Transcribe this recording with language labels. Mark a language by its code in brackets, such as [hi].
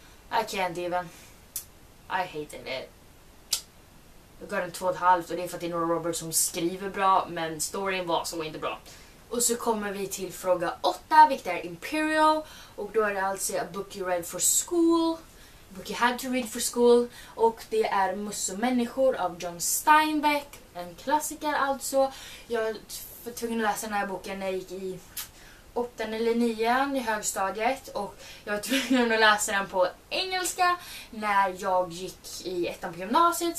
[en] I can't even. I hated it. [sv] Jag gav den 2,5 och det är för att det är Nora Roberts som skriver bra, men storyn var så inte bra. Och så kommer vi till fråga 8, vilket är Imperial. Och då är det alltså [en] a book you read for school. A book you had to read for school. [sv] Och det är Möss och människor av John Steinbeck. En klassiker alltså. Jag var tvungen att läsa den här boken när jag gick i 8 eller 9 i högstadiet. Och jag var tvungen att läsa den på engelska när jag gick i 1 på gymnasiet.